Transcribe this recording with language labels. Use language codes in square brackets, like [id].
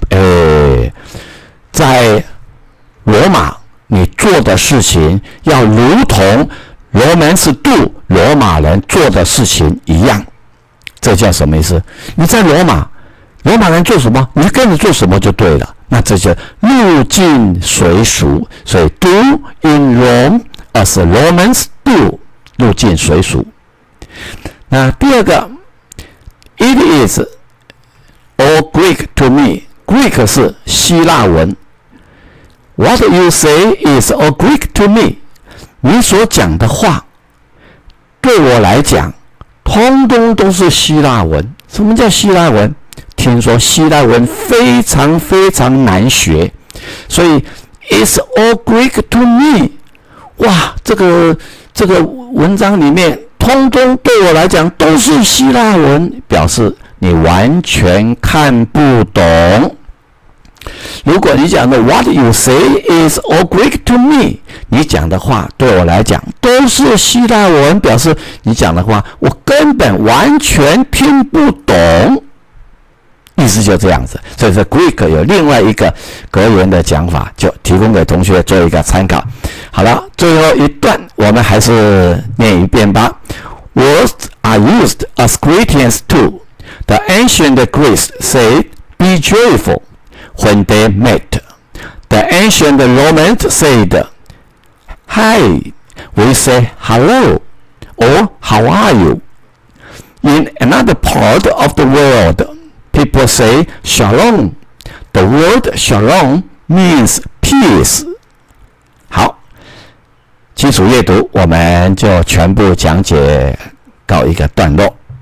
[zh] 哎，在罗马，你做的事情要如同 [en] Romans do [zh] 罗马人做的事情一样，这叫什么意思？你在罗马，罗马人做什么，你跟着做什么就对了。那这就入境随俗，所以 [en] do in Rome as Romans do， [zh] 入境随俗。那第二个 [en] ，it is all Greek to me。 Greek [zh] 是希腊文。 [en] What you say is all Greek to me。 [zh] 你所讲的话，对我来讲，通通都是希腊文。什么叫希腊文？听说希腊文非常非常难学，所以 [en] it's all Greek to me。 [zh] 哇，这个文章里面通通对我来讲都是希腊文，表示你完全看不懂。如果你讲的 [en] what you say is all Greek to me， [zh] 你讲的话对我来讲都是希腊文，表示你讲的话我根本完全听不懂。意思就这样子，所以说 Greek 有另外一个格言的讲法，就提供给同学做一个参考。好了，最后一段我们还是念一遍吧。 [en] Words are used as greetings too. The ancient Greeks said, "Be joyful" when they met. The ancient Romans said, "Hi." We say "Hello" or "How are you?" In another part of the world. People say shalom. The word shalom means peace. [zh] 好，基础阅读我们就全部讲解告一个段落。